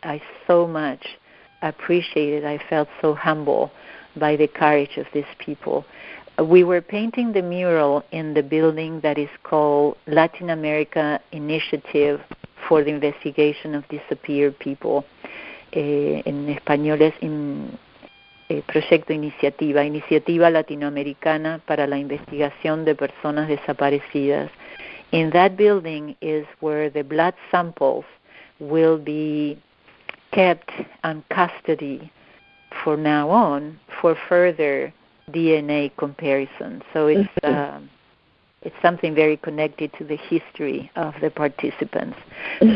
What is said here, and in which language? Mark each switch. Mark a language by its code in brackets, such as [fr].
[en] I so much appreciated. I felt so humble by the courage of these people. We were painting the mural in the building that is called Latin America Initiative for the Investigation of Disappeared People. [es] En español es Proyecto Iniciativa, Iniciativa Latinoamericana para la Investigación de Personas Desaparecidas. [en] In that building is where the blood samples will be kept in custody for now on for further DNA comparison. So it's something very connected to the history of the participants. Mm-hmm.